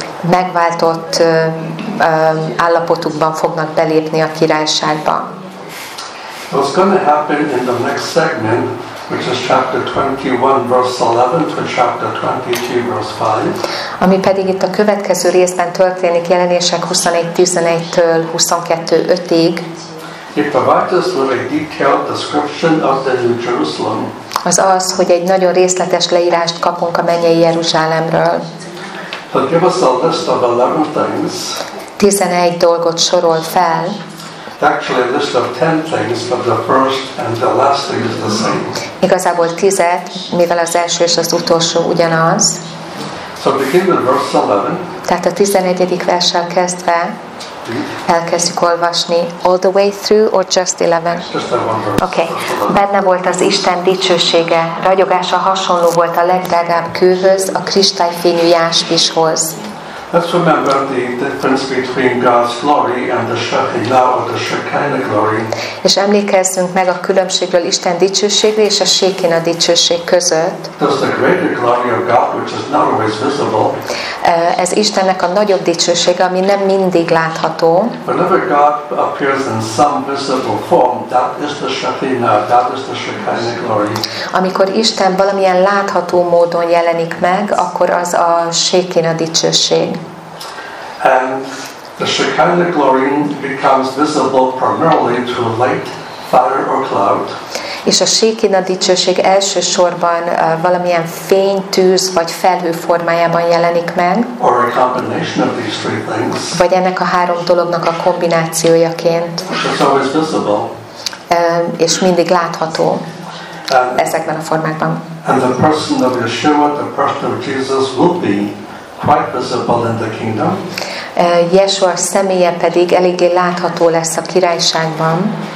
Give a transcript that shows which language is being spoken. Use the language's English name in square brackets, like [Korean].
[Hungarian] Megváltott állapotukban fognak belépni a királyságba. [English] What's going to happen in the next segment, which is chapter 21, verse 11, to chapter 22, verse 5. [Hungarian] Ami pedig itt a következő részben történik, Jelenések 21:11-től 22:5-ig. [English] It provides us with a detailed description of the New Jerusalem. [Hungarian] Az az, hogy egy nagyon részletes leírást kapunk a mennyei Jeruzsálemről. [English] He'll give us a list of 11 things. [Hungarian] 11 dolgot sorol fel. [English] Actually, a list of 10 things, but the first and the last thing is the same. [Hungarian] Igazából 10, mivel az első és az utolsó ugyanaz. [English] So begin with verse 11. [Hungarian] Tehát a 11. verssel kezdve elkezdjük olvasni. [English] All the way through or just 11? Just that one verse. Okay. [Hungarian] Benne volt az Isten dicsősége. Ragyogása hasonló volt a legdrágább kőhöz, a kristályfényű jáspishoz. [English] Let's remember the difference between God's glory and the Shekinah or the Shekinah glory. [Hungarian] És emlékezzünk meg a különbségről Isten dicsőségre és a Shekinah dicsőség között. [English] There's the greater glory of God, which is not always visible. [Hungarian] Ez Istennek a nagyobb dicsősége, ami nem mindig látható. [English] Whenever God appears in some visible form, that is the Shekinah, that is the Shekinah glory. [Hungarian] Amikor Isten valamilyen látható módon jelenik meg, akkor az a Shekinah dicsőség. [English] And the Shekinah glory becomes visible primarily through light, fire or cloud. [Hungarian] És a Shekinah dicsőség elsősorban valamilyen fény, tűz vagy felhő formájában jelenik meg. [English] Or a combination of these three things. [Hungarian] Vagy ennek a három dolognak a kombinációjaként. [English] It's always visible. [Hungarian] És mindig látható ezekben a formákban. [English] And the person of Yeshua, the person of Jesus will be quite visible in the kingdom. [Hungarian] Yeshua személye pedig eléggé látható lesz a királyságban.